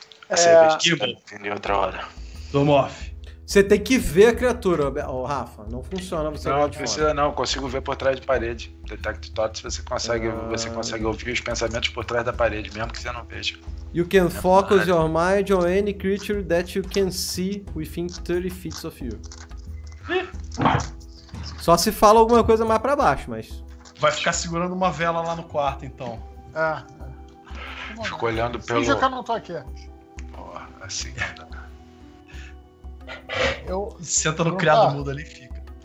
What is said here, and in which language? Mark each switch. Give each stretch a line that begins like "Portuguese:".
Portuguese: Entendi outra hora. Domoff. Você tem que ver a criatura, Rafa. Não funciona você. Não, não precisa não. Consigo ver por trás de parede. Detect Thoughts, você consegue ouvir os pensamentos por trás da parede, mesmo que você não veja.
English: You can focus your mind on any creature that you can see within 30 feet of you.
Portuguese: Só se fala alguma coisa mais pra baixo, mas... Vai ficar segurando uma vela lá no quarto, então. É. Fico olhando pelo... Finge que eu não tô aqui. Porra, assim... Senta no criado mudo ali e fica.